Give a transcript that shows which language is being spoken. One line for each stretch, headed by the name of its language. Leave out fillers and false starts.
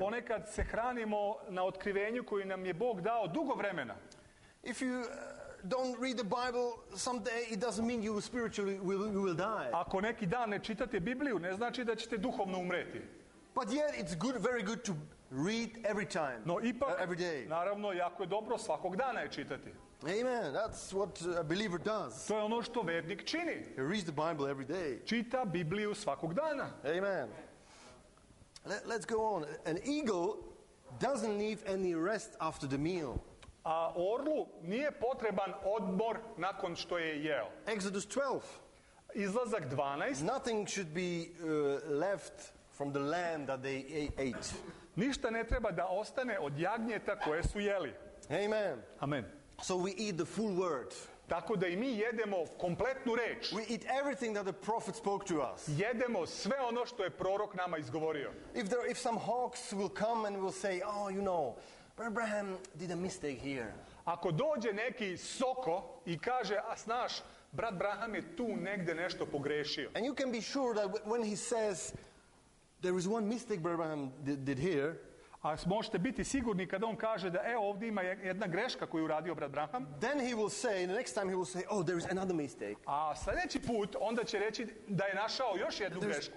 Serbian: Ponekad se hranimo na otkrivenju koji nam je Bog dao dugo vremena.
English: If you don't read the Bible someday, it doesn't mean you spiritually will die.
Serbian: Ako neki dan ne čitate Bibliju, ne znači da ćete duhovno umreti.
English: But yet it's good, very good to read every time.
Serbian: No, ipak,
English: every day.
Serbian: Naravno, jako je dobro svakog dana je čitati.
English: Amen. That's what a believer does.
Serbian: To je ono što vernik čini.
English: He reads the Bible every day.
Serbian: Čita Bibliju svakog dana.
English: Amen. Let's go on. An eagle doesn't need any rest after the meal.
Serbian: A orlu nije potreban odmor nakon što je jeo.
English: Exodus 12.
Serbian: Izlazak 12.
English: Nothing should be left from the lamb that they ate.
Serbian: Ništa ne treba da ostane od jagnjeta koje su jeli.
English: Amen. Amen. So we eat the full word.
Serbian: Tako da i mi jedemo kompletnu reč.
English: We eat everything that the prophet spoke to us.
Serbian: Jedemo sve ono što je prorok nama izgovorio.
English: If some hawks will come and will say, oh, you know, Abraham did a mistake here.
Serbian: Ako dođe neki soko i kaže, a znaš, brat Abraham je tu negde nešto pogrešio.
English: And you can be sure that when he says, there is one mistake Abraham did here.
Serbian: A možete biti sigurni kada on kaže da evo ovdje ima jedna greška koju uradio brat Abraham.
English: Then he will say, the next time he will say, oh, there is another mistake.
Serbian: A sljedeći put onda će reći da je našao još jednu grešku.